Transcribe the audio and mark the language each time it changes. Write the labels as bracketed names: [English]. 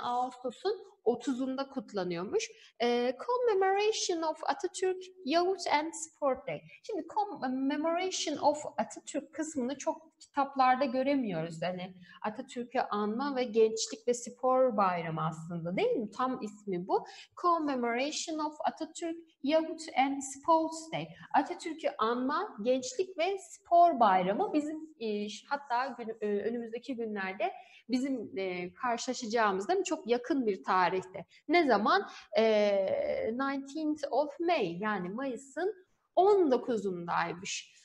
[Turkish] Ağustos'un 30'unda kutlanıyormuş. [English] Commemoration of Atatürk Youth and Sport Day. [Turkish] Şimdi Commemoration of Atatürk kısmını çok kitaplarda göremiyoruz. Hani Atatürk'ü Anma ve Gençlik ve Spor Bayramı aslında, değil mi? Tam ismi bu. [English] Commemoration of Atatürk Youth and Sports Day. [Turkish] Atatürk'ü Anma, Gençlik ve Spor Bayramı bizim hatta önümüzdeki günlerde bizim karşılaşacağımız, değil mi? Çok yakın bir tarihte. Ne zaman? [English] 19th of May, [Turkish] yani Mayıs'ın 19'undaymış.